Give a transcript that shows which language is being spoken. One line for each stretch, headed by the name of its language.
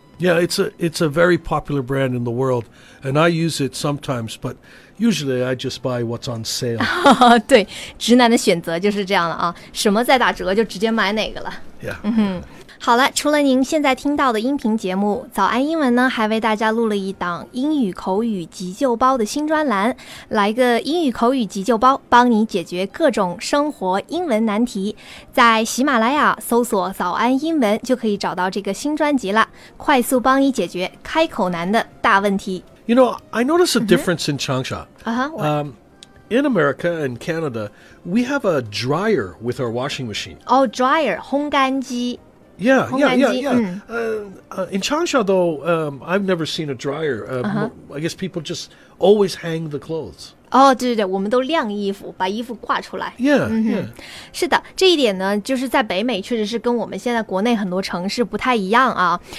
English: Yeah, it's a very popular brand in the world and I use it sometimes butUsually, I just buy what's on sale.
Chinese: 对，直男的选择就是这样了啊，什么在打折就直接买哪个了。
English: Yeah.
Chinese: 嗯哼。好了，除了您现在听到的音频节目，早安英文呢，还为大家录了一档英语口语急救包的新专栏，来个英语口语急救包，帮你解决各种生活英文难题。在喜马拉雅搜索早安英文就可以找到这个新专辑了，快速帮你解决开口难的大问题。
English: You know, I notice a difference、mm-hmm. in Changsha. Uh-huh.、 In America and Canada, we have a dryer with our washing machine. Oh, dryer, 烘干机。 In Changsha, though,、I've never seen a dryer.、I guess people just always hang the clothes.
Chinese: Oh, 对对对，我们都晾衣服，把衣服挂出来。
English: Yeah,、mm-hmm. yeah.
Chinese: 是的，这一点呢，就是在北美确实是跟我们现在国内很多城市不太一样啊。